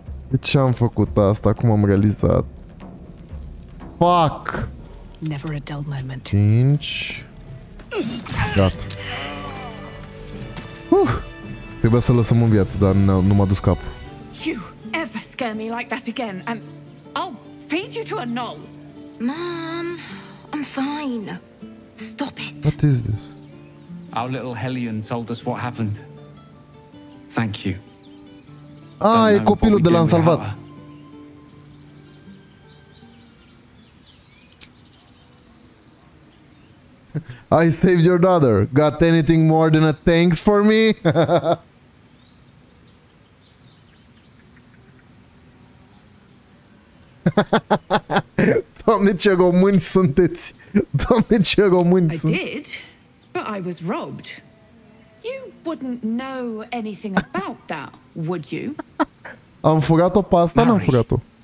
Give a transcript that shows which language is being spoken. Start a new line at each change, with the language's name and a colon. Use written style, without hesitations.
Romanian: De ce am făcut asta? Cum am realizat? Fuck!
English: Never a dull moment.
Romanian: 5. Gata. Trebuia să lăsăm în viață, dar nu m-a dus cap.
English: You ever scare me like that again, and I'll feed you to a gnoll. Mom, I'm fine. Stop it. What is this? Our little Hellion told us what happened. Thank you.
Romanian: Ah, e copilul de l-am salvat.
English: I saved your daughter. Got anything more than a thanks for me?
Romanian: Doamne, ce români sunteți. Doamne, ce români sunteți.
English: I did, but I was robbed. You wouldn't know anything about that, would you?
Romanian: Am furat-o pe asta, n-am furat-o.